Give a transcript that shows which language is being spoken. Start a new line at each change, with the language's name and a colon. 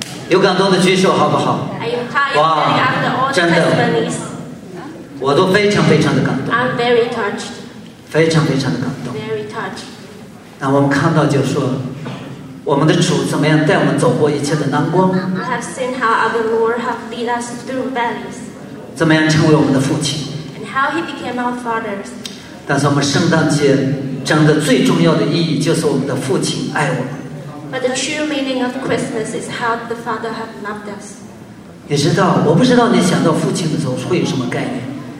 Chinese: 有感动的举手好不好？哇，真的，我都非常非常的感动。
English: I'm very touched.
Chinese: 非常非常的感动。
English: Very touched.
Chinese: 那我们看到就说，我们的主怎么样带我们走过一切的难关？
English: I have seen how our Lord have led us through valleys.
Chinese: 怎么样成为我们的父亲？
English: And how he became our fathers.
Chinese: 但是我们圣诞节真的最重要的意义就是我们的父亲爱我们。
English: But the true meaning of Christmas is how the Father have loved us.
Chinese: 你知道，我不知道你想到父亲的时候会有什么概念。